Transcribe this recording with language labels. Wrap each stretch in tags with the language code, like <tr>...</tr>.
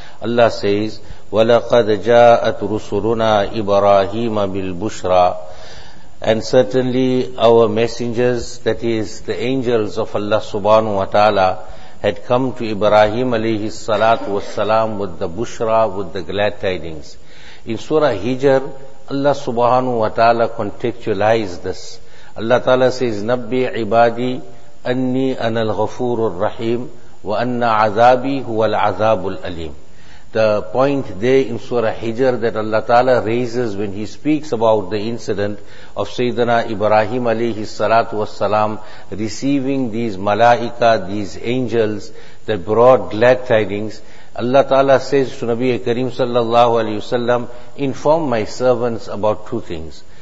<en>Allah says,</en> <ar>وَلَقَدْ جَاءَتْ رُسُلُنَا إِبْرَاهِيمَ بِالْبُشْرَى.</ar> <en>And certainly our messengers, that is the angels of Allah subhanahu wa ta'ala, had come to Ibrahim alayhi salatu wa salam with the bushra, with the glad tidings. In Surah Hijr, Allah subhanahu wa ta'ala contextualized this. Allah ta'ala says,</en> <ar>نَبِّي عِبَادِي أَنِّي أَنَا الْغَفُورُ الرَّحِيمُ وَأَنَّ عَذَابِي هُوَ الْعَذَابُ الْأَلِيمُ.</ar> <en>The point there in Surah Hijr that Allah Ta'ala raises when he speaks about the incident of Sayyidina Ibrahim alayhi salatu was salam receiving these malaika, these angels that brought glad tidings. Allah Ta'ala says to Nabi Kareem sallallahu alayhi wa sallam, inform my servants about two things.</en>